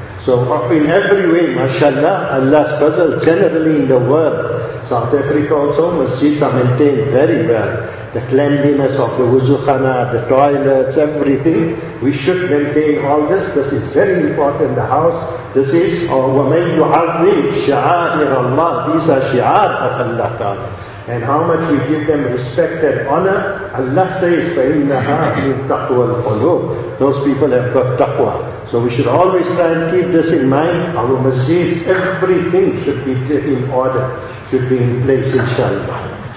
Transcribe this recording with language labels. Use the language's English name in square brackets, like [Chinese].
[English] So in every way, mashallah, Allah's fazl generally in the world. South Africa also, masjids are maintained very well. The cleanliness of the wuzukhana, the toilets, everything. We should maintain all this. This is very important, the house. This is, [Arabic] وَمَنْ يُعَظِّمْ شَعَائِرَ اللَّهِ. [English] These are shi'ar of Allah Ta'ala. And how much we give them respect and honor, Allah says, [Arabic] فَإِنَّهَا مِنْ تَقْوَى الْقُلُوبِ. [English] Those people have got taqwa. So we should always try and keep this in mind. Our masjids, everything should be in order, should be in place, inshallah.